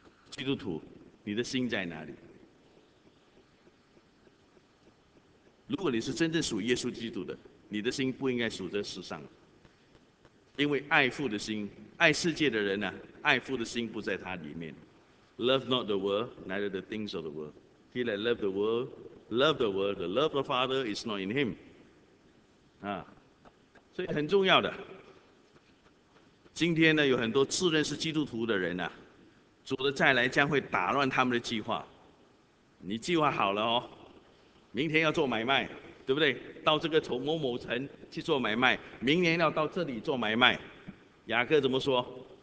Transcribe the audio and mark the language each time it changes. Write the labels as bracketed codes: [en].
[zh] 基督徒，你的心在哪里？如果你是真正属耶稣基督的，你的心不应该属这世上，因为爱父的心、爱世界的人呢、啊，爱父的心不在他里面。 [en] Love not the world, neither the things of the world. He that love the world, love the world, the love of Father is not in him. [zh] 啊，所以很重要的。今天呢，有很多自认是基督徒的人呢、主的再来将会打乱他们的计划。你计划好了哦。明天要做买卖，对不对？到这个从某某城去做买卖，明年要到这里做买卖。雅各怎么说？